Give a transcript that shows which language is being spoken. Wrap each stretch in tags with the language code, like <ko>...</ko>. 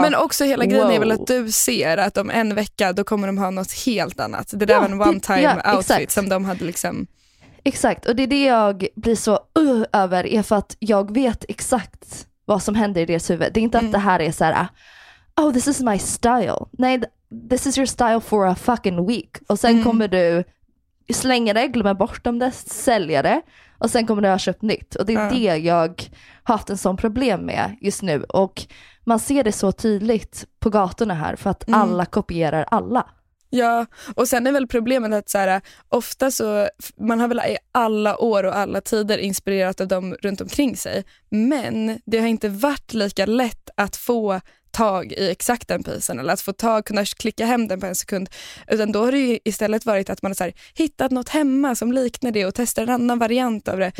<sv>men också hela grejen är väl att du ser att om en vecka, då kommer de ha något helt annat. Det där var en</sv> <en>one time outfit</en> <sv>exakt. Som de hade liksom... Exakt, och det är det jag blir så över, är för att jag vet exakt vad som händer i deras huvud. Det är inte att det här är så här,</sv> <en>oh, this is my style. Nej, this is your style for a fucking week.</en> <sv>Och sen kommer du slänga det, glömma bort om det, sälja det. Och sen kommer du ha köpt nytt. Och det är det jag har haft en sån problem med just nu. Och man ser det så tydligt på gatorna här, för att alla kopierar alla. Ja, och sen är väl problemet att så här, ofta så, man har väl i alla år och alla tider inspirerat av dem runt omkring sig, men det har inte varit lika lätt att få tag i exakt den pisen, eller att få tag, kunna klicka hem den på en sekund, utan då har det ju istället varit att man har så här, hittat något hemma som liknar det och testar en annan variant av det.</sv>